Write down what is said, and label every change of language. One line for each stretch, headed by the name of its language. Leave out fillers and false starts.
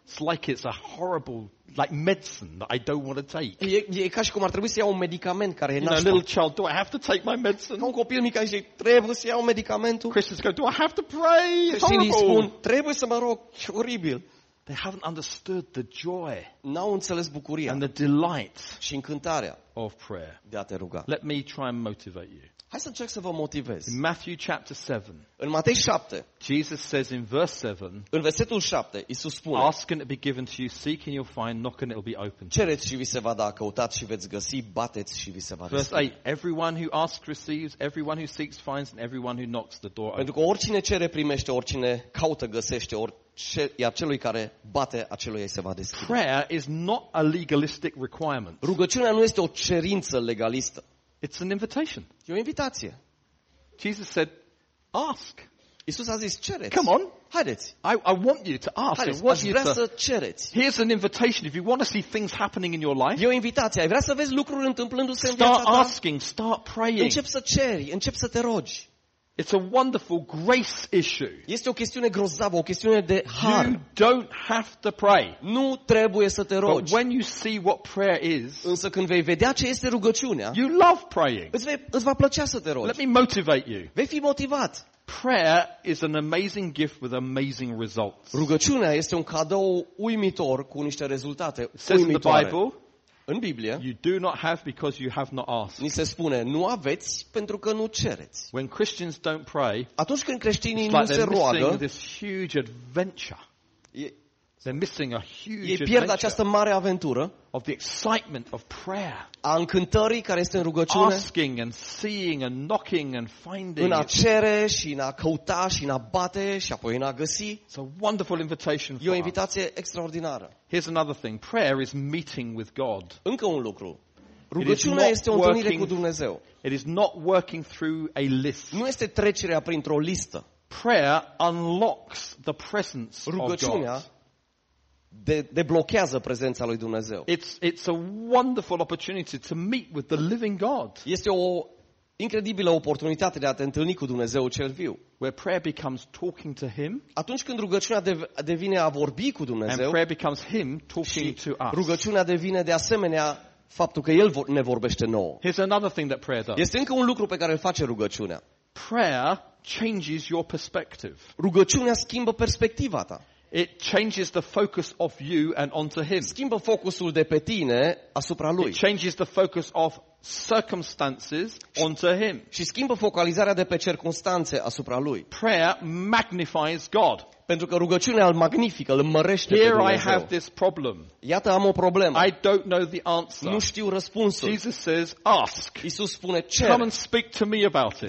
English: It's like it's a horrible like medicine that I don't want to take.
Romanian: E ca și cum ar trebui să iau un medicament care e nașpa.
English: A little child, do I have to take my medicine?
Romanian: Un copil mic aici, trebuie să iau medicamentul?
English: Christians go, do I have to pray? It's horrible.
Romanian: Și spun, trebuie să mă rog. E oribil.
English: They haven't understood the joy.
Romanian: N-au înțeles bucuria.
English: And the delight.
Romanian: Și încântarea.
English: Of prayer.
Romanian: De a te ruga.
English: Let me try and motivate you.
Romanian: Hai să încerc să vă motivez.
English: In Matthew chapter 7.
Romanian: În Matei 7.
English: Jesus says in verse 7.
Romanian: În versetul 7, Iisus spune:
English: ask and it will be given to you, seek and you'll find, knock and it will be opened.
Romanian: Cereți și vi se va da, căutați și veți găsi, bateți și vi se va deschide.
English: Verse 8. Everyone who asks receives, everyone who seeks finds, and everyone who knocks the door opens.
Romanian: Pentru că oricine cere primește, oricine caută găsește, iar celui care bate, acelui se va deschide.
English: Prayer is not a legalistic requirement.
Romanian: Rugăciunea nu este o cerință legalistă.
English: It's an invitation.
Romanian: E o invitație.
English: Jesus said, ask.
Romanian: Iisus a zis, cereți.
English: Come on.
Romanian: Haideți.
English: I want you to ask.
Romanian: Haideți, aș vrea să cereți.
English: Here's an invitation. If you want to see things happening in your life,
Romanian: e o invitație. Ai vrea să vezi lucruri întâmplându-se în viața ta?
English: Start asking. Start praying.
Romanian: Încep să ceri. Încep să te rogi.
English: It's a wonderful grace issue.
Romanian: Este o chestiune grozavă, o chestiune de har.
English: You don't have to pray.
Romanian: Nu trebuie să te rogi.
English: But when you see what prayer is,
Romanian: însă când vei vedea ce este rugăciunea,
English: you love praying.
Romanian: Îți va plăcea să te rogi.
English: Let me motivate you.
Romanian: Vei fi motivat.
English: Prayer is an amazing gift with amazing results.
Romanian: Rugăciunea este un cadou uimitor cu niște rezultate uimitoare.
English: Says in the Bible,
Romanian: în Biblie,
English: you do not have because you have not asked.
Romanian: Ni se spune, nu aveți pentru că nu cereți.
English: When Christians don't pray,
Romanian: atunci când creștinii
English: it's like
Romanian: nu se roagă,
English: they're missing this huge adventure. They're missing a huge adventure.
Romanian: Această mare aventură
English: of the excitement of prayer.
Romanian: A încântării care este în rugăciune.
English: Asking and seeing and knocking and finding.
Romanian: În a cere și în a căuta și în a bate și apoi în a găsi.
English: It's a wonderful invitation for us.
Romanian: E o invitație extraordinară.
English: Here's another thing. Prayer is meeting with God.
Romanian: Încă un lucru. Rugăciunea este o întâlnire cu Dumnezeu.
English: It is not working through a list.
Romanian: Nu este trecerea printr-o listă.
English: Prayer unlocks the presence of God.
Romanian: Rugăciunea deblochează prezența lui Dumnezeu.
English: It's a wonderful opportunity to meet with the living God.
Romanian: Este o incredibilă oportunitate de a te întâlni cu Dumnezeu cel viu.
English: Where prayer becomes talking to him.
Romanian: Atunci când rugăciunea devine a vorbi cu Dumnezeu.
English: And prayer becomes him talking to us.
Romanian: Rugăciunea devine de asemenea faptul că el ne vorbește nouă.
English: Here's another thing that prayer does.
Romanian: Este încă un lucru pe care îl face rugăciunea.
English: Prayer changes your perspective.
Romanian: Rugăciunea schimbă perspectiva ta.
English: It changes the focus of you and onto him.
Romanian: Schimbă focusul de pe tine asupra lui.
English: It changes the focus of circumstances onto him.
Romanian: Și schimbă focalizarea de pe circumstanțe asupra lui.
English: Prayer magnifies God.
Romanian: Pentru că rugăciunea îl magnifică, îl mărește
English: Here
Romanian: pe Dumnezeu.
English: I have this problem.
Romanian: Iată, am o problemă.
English: I don't know the answer.
Romanian: Nu știu răspunsul.
English: Jesus says, ask.
Romanian: Iisus spune, cer.
English: Come and speak to me about it.